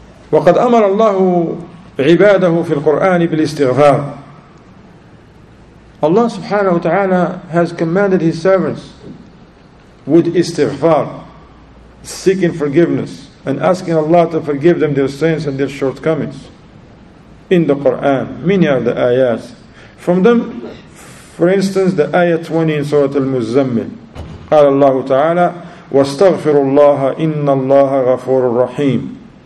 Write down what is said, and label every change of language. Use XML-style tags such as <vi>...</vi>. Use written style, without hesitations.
<ar>وقد أمر الله عباده في القرآن بالاستغفار.</ar> <en>Allah subhanahu wa ta'ala has commanded His servants with istighfar, seeking forgiveness and asking Allah to forgive them their sins and their shortcomings. In the Quran, many are the ayats. From them, for instance, the ayah 20 in Surah Al-Muzzammil.</en> <ar>قال الله تعالى واستغفر الله إن الله غفور رحيم.</ar>